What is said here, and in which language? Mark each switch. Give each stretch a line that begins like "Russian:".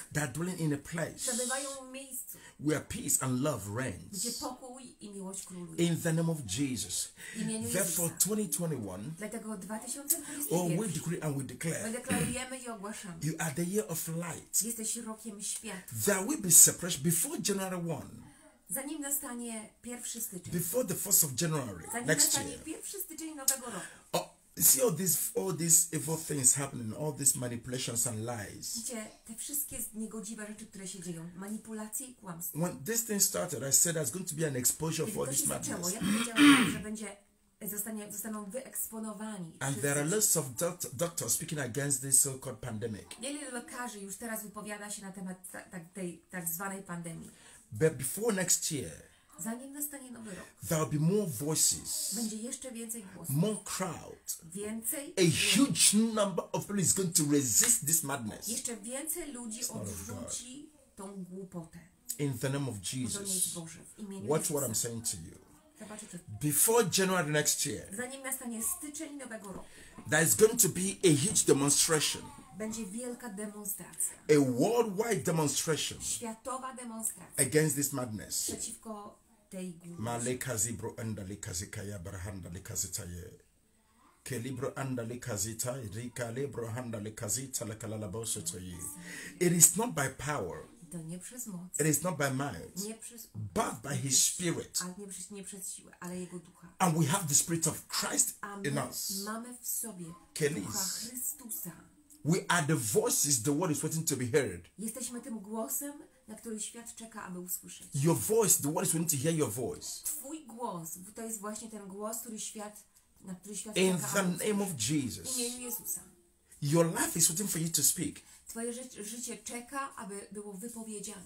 English: They are dwelling in a place,
Polish: przebywają w miejscu,
English: where peace and love reigns,
Polish: gdzie pokój i miłość króluje.
English: In the name of Jesus.
Polish: W imieniu Jezusa.
English: Therefore, 2021.
Polish: Dlatego 2021.
English: Oh, we decree and we declare.
Polish: Deklarujemy i ogłaszamy.
English: You are the year of light.
Polish: Jesteś rokiem światła.
English: There will be suppression before January 1.
Polish: Zanim nastanie 1 stycznia.
English: Before the 1st of January.
Polish: Zanim
English: next
Polish: nastanie
English: year.
Polish: 1 stycznia nowego roku.
English: Oh, see all these evil things happening, all these manipulations and lies.
Polish: Widzicie, te wszystkie niegodziwe rzeczy, które się dzieją, manipulacje i kłamstwa.
English: When this thing started, I said there's going to be an exposure for this madness.
Polish: Ja powiedziałam, że będzie zostaną wyeksponowani.
English: And there are lots of doctors speaking against this so-called pandemic.
Polish: Wielu lekarzy już teraz wypowiada się na temat tej tak zwanej pandemii.
English: But before next year,
Polish: zanim nastanie nowy rok,
English: there will be more voices,
Polish: będzie jeszcze więcej głosów,
English: more crowd,
Polish: więcej,
English: a huge number of people is going to resist this madness.
Polish: Jeszcze więcej ludzi odrzuci tą głupotę.
English: In the name of Jesus, watch what I'm saying to you. Before January next year,
Polish: zanim nastanie styczeń nowego roku,
English: there is going to be a huge demonstration.
Polish: Będzie wielka demonstracja.
English: A worldwide demonstration.
Polish: Światowa demonstracja.
English: Against this madness.
Polish: Przeciwko tej głupocie. Malika zibro andalika zikaya brahandalika zitaye. Kelibro andalika zitaye. Rikalibro handalika zitale kalalabosu toye.
English: It is not by power.
Polish: To nie przez moc.
English: It is not by might.
Polish: Nie przez.
English: But by his spirit.
Polish: Ale nie przez siłę, ale jego ducha.
English: And we have the spirit of Christ in us.
Polish: Mamy w sobie Kelis. Ducha Chrystusa.
English: We are the voices the world is waiting to be heard.
Polish: Jesteśmy tym głosem, na który świat czeka, aby usłyszeć.
English: Your voice, the world is waiting to hear your voice.
Polish: Twój głos, to jest właśnie ten głos, na który świat
English: in
Polish: czeka.
English: In the name of Jesus.
Polish: W imieniu Jezusa.
English: Your life is waiting for you to speak.
Polish: Twoje życie czeka, aby było wypowiedziane.